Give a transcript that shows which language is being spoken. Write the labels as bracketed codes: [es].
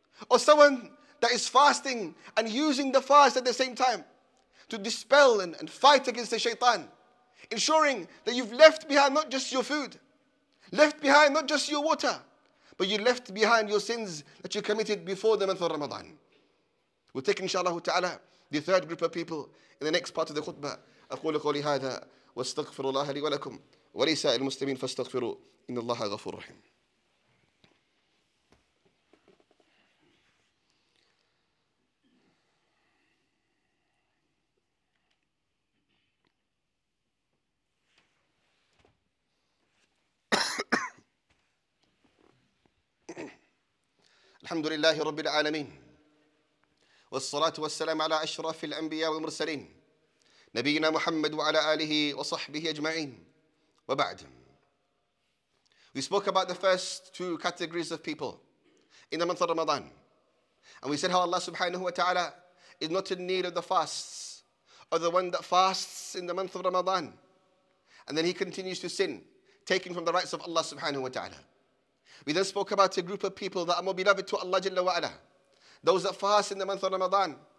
[en] Or someone that is fasting and using the fast at the same time to dispel and fight against the shaitan? Ensuring that you've left behind not just your food, left behind not just your water, but you left behind your sins that you committed before the month of Ramadan. We'll take inshallah ta'ala the third group of people in the next part of the khutbah. [ar] أقول قولي هذا واستغفر الله لي ولكم وليس المسلمين فاستغفروا إن الله غفور رحيم. الحمد لله رب العالمين والصلاة والسلام على أشرف الأنبياء والمرسلين نبينا محمد وعلى آله وصحبه أجمعين وبعد. [en] We spoke about the first two categories of people in the month of Ramadan. And we said how Allah subhanahu wa ta'ala is not in need of the fasts or the one that fasts in the month of Ramadan. And then he continues to sin, taking from the rights of Allah subhanahu wa ta'ala. We then spoke about a group of people that are more beloved to Allah jalla wa ala. Those that fast in the month of Ramadan.